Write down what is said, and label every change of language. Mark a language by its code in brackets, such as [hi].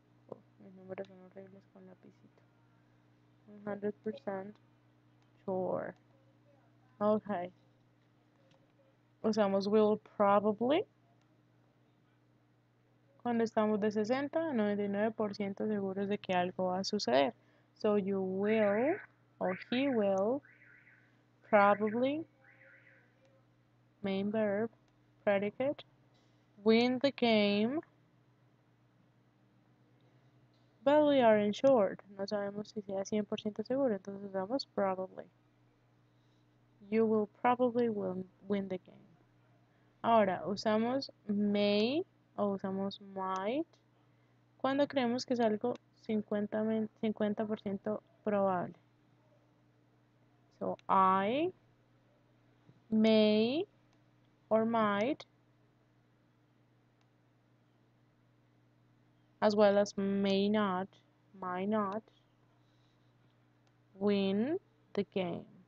[es] Oh, mis números son horribles con lapicito. [en] 100% sure. Okay. [es] Usamos will probably. Cuando estamos de 60 a 99% seguros de que algo va a suceder. [en] So you will or he will probably, main verb, predicate, win the game. But we aren't sure. [es] No sabemos si sea 100% seguro. Entonces usamos [en] probably. You will probably will win the game. [es] Ahora usamos may. O usamos might cuando creemos que es algo 50% probable. [en] So, I may or might, as well as may not, might not, win the game.